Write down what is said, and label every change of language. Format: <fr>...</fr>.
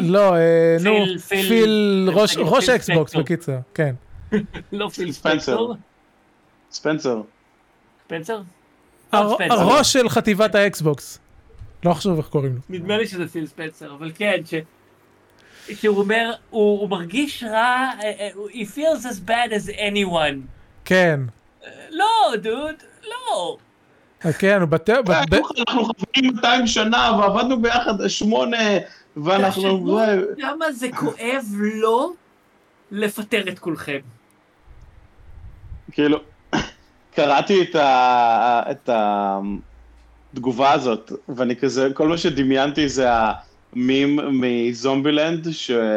<he>לא, נו, פיל... ראש אקסבוקס, בקיצר, כן. לא פיל ספנסר. ספנסר. ספנסר? הראש של חטיבת האקסבוקס. לא חשוב איך קוראים לו. נדמה לי שזה פיל ספנסר, אבל כן, ש... שהוא אומר, הוא מרגיש רע,</he> <en>he feels as bad as anyone.</en> <he>כן. לא, דוד, לא. כן, הוא בטר... אנחנו חברים 200 שנה, ועבדנו ביחד 8, ואנחנו... למה זה כואב לא לפטר את כולכם? כאילו, קראתי את התגובה הזאת, ואני כזה, כל מה שדמיינתי זה המים מזומבילנד, ש...</he>